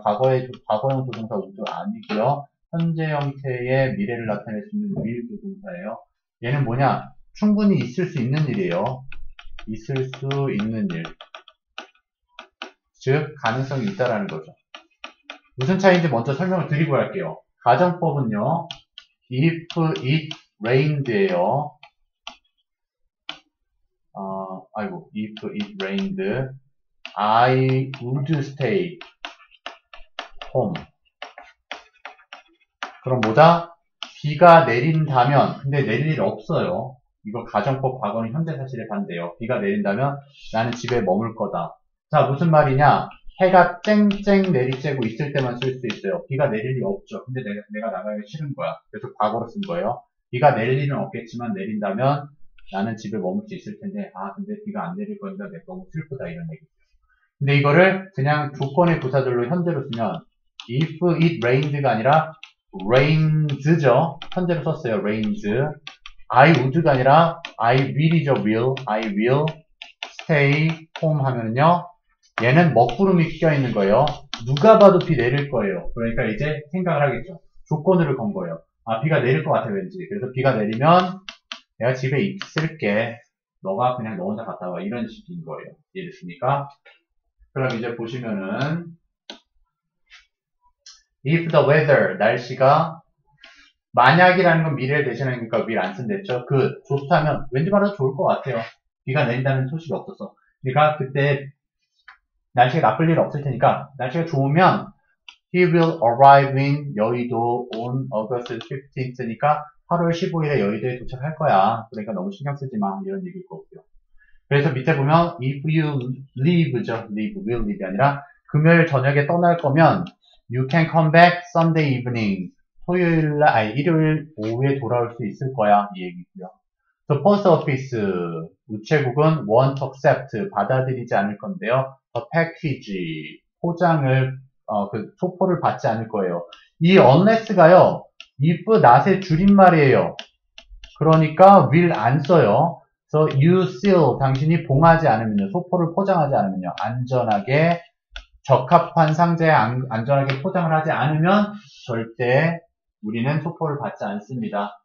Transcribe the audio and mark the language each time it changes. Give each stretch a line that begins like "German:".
Korean: 과거형 조동사 우도 아니고요. 현재 형태의 미래를 나타낼 수 있는 will 조동사예요. 얘는 뭐냐? 충분히 있을 수 있는 일이에요. 있을 수 있는 일. 즉, 가능성이 있다라는 거죠. 무슨 차이인지 먼저 설명을 드리고 갈게요. 가정법은요,
English: if it rained
Korean: 에요. 아이고,
English: if it rained, I would stay home.
Korean: 그럼 뭐다? 비가 내린다면, 근데 내릴 일 없어요. 이거 가정법 과거는 현재 사실에 반대예요. 비가 내린다면 나는 집에 머물 거다. 자, 무슨 말이냐? 해가 쨍쨍 내리쬐고 있을 때만 쓸 수 있어요. 비가 내릴 리 없죠. 근데 내가 나가기 싫은 거야. 그래서 과거로 쓴 거예요. 비가 내릴 리는 없겠지만 내린다면 나는 집에 머물 수 있을 텐데, 아 근데 비가 안 내릴 거니까 내가 너무 슬프다, 이런 얘기죠. 근데 이거를 그냥 조건의 부사절로 현재로 쓰면
English: if it rained
Korean: 가 아니라 rains죠. 현재로 썼어요. rains.
English: I would가 아니라 I will이죠. will. I will stay home
Korean: 하면은요, 얘는 먹구름이 끼어있는 거예요. 누가 봐도 비 내릴 거예요. 그러니까 이제 생각을 하겠죠. 조건을 건 거예요. 아, 비가 내릴 것 같아 왠지. 그래서 비가 내리면 내가 집에 있을게. 너가 그냥 너 혼자 갔다 와. 이런 식인 거예요. 이해됐습니까? 그럼 이제 보시면은
English: if the weather,
Korean: 날씨가, 만약이라는 건 미래를 대신하는 거니까 will 안 쓴댔죠. 그 좋다면, 왠지 말해도 좋을 것 같아요. 비가 내린다는 소식이 없어서. 그러니까 그때 날씨가 나쁠 일 없을 테니까 날씨가 좋으면
English: he will arrive in
Korean: 여의도
English: on August 15th
Korean: 니까 8월 15일에 여의도에 도착할 거야. 그러니까 너무 신경 쓰지 마. 이런 얘기일 거고요. 그래서 밑에 보면
English: if you leave
Korean: 죠.
English: leave, will leave이 아니라
Korean: 금요일 저녁에 떠날 거면
English: you can come back Sunday evening.
Korean: 일요일 오후에 돌아올 수 있을 거야. 이 얘기고요.
English: The post office,
Korean: 우체국은
English: won't accept,
Korean: 받아들이지 않을 건데요.
English: The package,
Korean: 포장을, 소포를 받지 않을 거예요. 이 unless가요, if not의 줄임말이에요. 그러니까 will 안 써요.
English: So you seal,
Korean: 당신이 봉하지 않으면요. 소포를 포장하지 않으면요. 안전하게, 적합한 상자에 안전하게 포장을 하지 않으면 절대 우리는 소포를 받지 않습니다.